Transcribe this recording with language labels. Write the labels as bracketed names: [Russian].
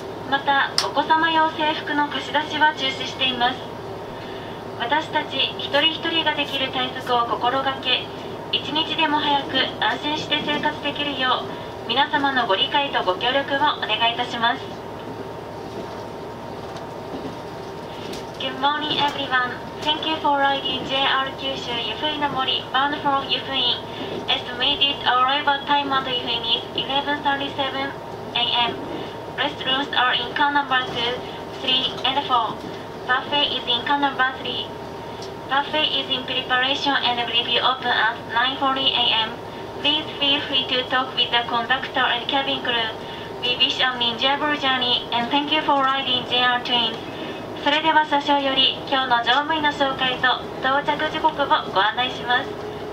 [Japanese] またお子様用制服の貸し出しは中止しています。私たち一人一人ができる対策を心がけ、一日でも早く安心して生活できるよう皆様のご理解とご協力をお願いいたします。 [English] Good morning everyone. Thank you for riding JR 九州湯布院の森 bound for 湯布院. Estimated arrival time at 湯布院 is 11:37 AM. Restrooms are in car number 2, 3 and 4. Buffet is in car number 3. Buffet is in preparation and will be open at 9:40 AM. Please feel free to talk with the conductor and cabin crew. We wish an enjoyable journey and thank you for riding JR train. [Japanese] それでは車掌より今日の乗務員の紹介と到着時刻をご案内します。